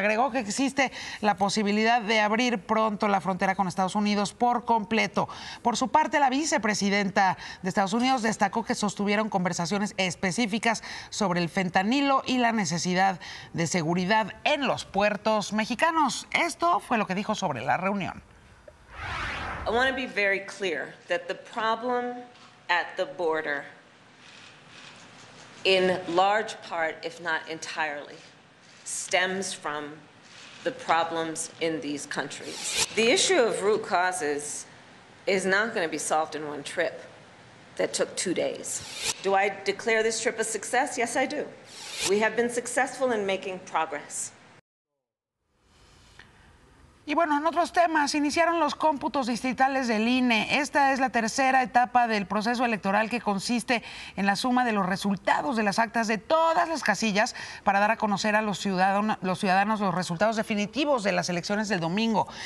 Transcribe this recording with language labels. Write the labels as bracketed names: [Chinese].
[Spanish] Agregó que existe la posibilidad de abrir pronto la frontera con Estados Unidos por completo. Por su parte, la vicepresidenta de Estados Unidos destacó que sostuvieron conversaciones específicas sobre el fentanilo y la necesidad de seguridad en los puertos mexicanos. Esto fue lo que dijo sobre la reunión. [English] I want to be very clear that the problem at the border, in large part, if not entirely, stems from the problems in these countries. The issue of root causes is not going to be solved in one trip that took 2 days. Do I declare this trip a success? Yes, I do. We have been successful in making progress. [Spanish] Y bueno, en otros temas, iniciaron los cómputos distritales del INE. Esta es la tercera etapa del proceso electoral, que consiste en la suma de los resultados de las actas de todas las casillas para dar a conocer a los ciudadanos los resultados definitivos de las elecciones del domingo.